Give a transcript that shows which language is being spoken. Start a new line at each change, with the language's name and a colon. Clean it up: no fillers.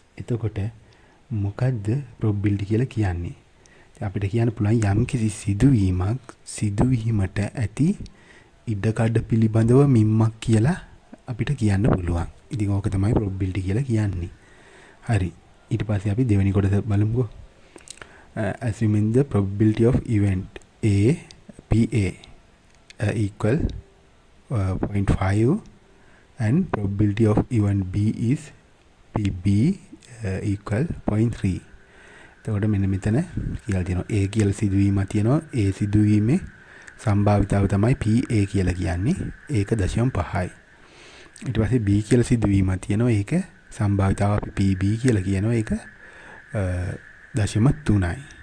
Sinhala: එතකොට මොකද්ද probability කියලා කියන්නේ? ඉතින් අපිට කියන්න පුළුවන් යම්කිසි සිදුවීමක් සිදුවීමට ඇති ඉඩකඩ පිළිබඳව මිම්මක් කියලා අපිට කියන්න පුළුවන්. ඉතින් ඕක තමයි probability කියලා කියන්නේ. හරි. ඊට පස්සේ අපි දෙවෙනි කොටස බලමුකෝ.
English: Assuming the probability of event A P A equal 0.5 and probability of event B is B equal 0.3.
Sinhala: එතකොට මෙන්න මෙතන කියලා තියෙනවා A කියලා සිදුවීමක් තියෙනවා. A සිදුවීමේ සම්භාවිතාව තමයි PA කියලා කියන්නේ. ඒක 0.5. ඊට පස්සේ B කියලා සිදුවීමක් තියෙනවා. ඒක සම්භාවිතාව අපි PB කියලා කියනවා. ඒක 0.3.